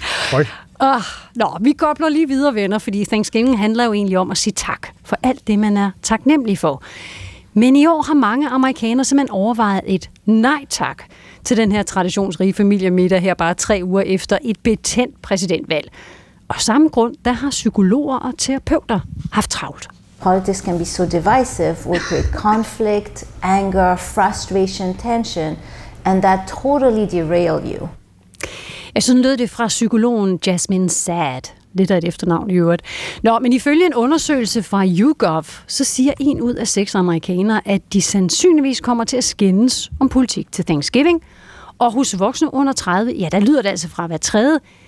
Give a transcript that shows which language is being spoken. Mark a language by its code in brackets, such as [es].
[da] Høj. Nå, vi kobler lige videre, venner, fordi Thanksgiving handler jo egentlig om at sige tak for alt det, man er taknemmelig for. Men i år har mange amerikanere simpelthen overvejet et nej tak til den her traditionsrige familiemiddag her bare 3 uger efter et betændt præsidentvalg. Og samme grund, der har psykologer og terapeuter haft travlt. [en] Politics can be so divisive, will create conflict, anger, frustration, tension, and that totally derail you. [da] Ja, sådan lød det fra psykologen Jasmine Saad. Lidt af et efternavn i øvrigt. Nå, men ifølge en undersøgelse fra YouGov, så siger 1 ud af 6 amerikanere, at de sandsynligvis kommer til at skændes om politik til Thanksgiving. Og hos voksne under 30, ja, der lyder det altså fra hver tredje.